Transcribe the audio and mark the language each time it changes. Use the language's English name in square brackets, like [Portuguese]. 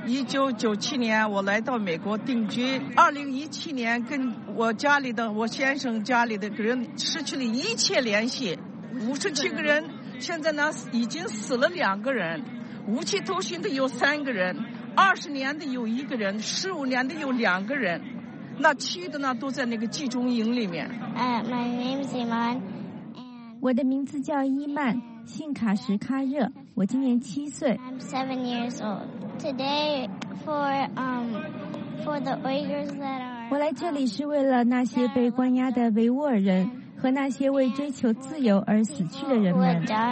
[Chinese] 1997年我来到美国定居，2017年跟我家里的我先生家里的人失去了一切联系，57个人，现在呢已经死了2个人，无期徒刑的有3个人，20年的有1个人，15年的有2个人，那其余的呢都在那个集中营里面。 [English] My name is Iman. [Chinese] 我的名字叫伊曼，姓卡什卡热，我今年7岁。 [English] I'm 7 years old. Today for the Uyghurs that are [Chinese] 我来这里是为了那些被关押的维吾尔人和那些为追求自由而死去的人们。